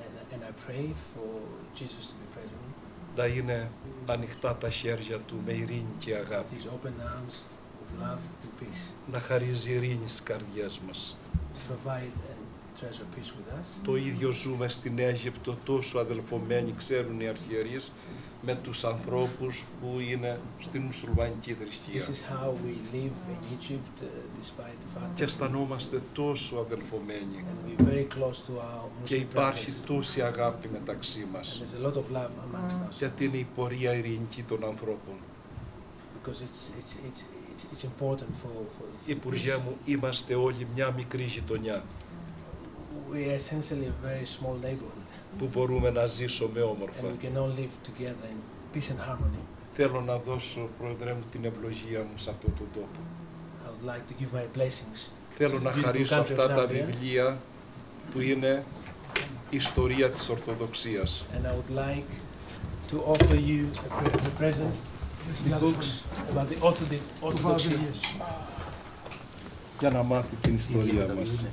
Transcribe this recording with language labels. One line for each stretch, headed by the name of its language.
English: And I pray for Jesus to be present.
Greek: Να είναι ανοιχτά τα χέρια του με ειρήνη και αγάπη.
English: With his open arms of love and peace.
Greek: Να χαρίζει ειρήνη στις καρδιές μας.
English: To provide and treasure peace with us.
Greek: Το ίδιο ζούμε στην Αίγυπτο τόσο αδελφομένοι, ξέρουν οι αρχιερείς, με τους ανθρώπους που είναι στην μουσουλμανική θρησκεία.
English: This is how we live in Egypt, despite the fact.
Greek: Και αισθανόμαστε τόσο αδελφομένοι.
English: And we're very close to our Muslim brothers.
Greek: Και υπάρχει τόση αγάπη μεταξύ μας.
English: And there's a lot of love amongst us.
Greek: Γιατί είναι η πορεία ειρηνική των ανθρώπων.
English: Because it's important for
Greek: Υπουργέ μου, είμαστε όλοι μια μικρή γειτονιά.
English: We are essentially a very small neighborhood.
Greek: Που μπορούμε να ζήσουμε όμορφα.
English: And we can all live together in peace and harmony.
Greek: Θέλω να δώσω, Πρόεδρε μου, την ευλογία μου σε αυτό το τόπο.
English: I would like to give my blessings.
Greek: Θέλω να χαρίσω αυτά τα βιβλία που είναι ιστορία της Ορθοδοξίας.
English: And I would like to offer you a present, the books about the Orthodoxy.
Greek: Για να μάθει την ιστορία μας.